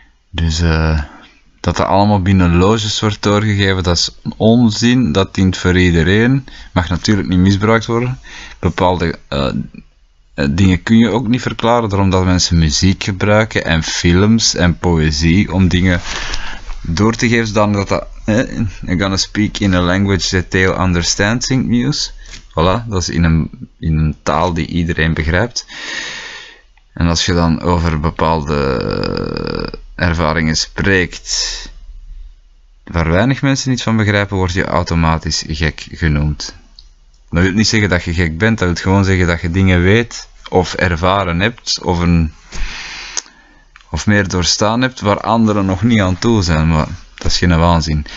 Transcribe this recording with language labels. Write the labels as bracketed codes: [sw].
[nl] Dus dat dat allemaal binnen loges wordt doorgegeven, dat is onzin, dat dient voor iedereen. Mag natuurlijk niet misbruikt worden. Bepaalde dingen kun je ook niet verklaren, daarom dat mensen muziek gebruiken en films en poëzie om dingen door te geven, zodat dat... [en] I'm gonna speak in a language that they'll understand, think Muse. [nl] Voilà, dat is in een taal die iedereen begrijpt. En als je dan over bepaalde ervaringen spreekt waar weinig mensen iets van begrijpen, word je automatisch gek genoemd. Dat wil niet zeggen dat je gek bent, dat wil gewoon zeggen dat je dingen weet of ervaren hebt of meer doorstaan hebt waar anderen nog niet aan toe zijn, maar... Dat is geen waanzin.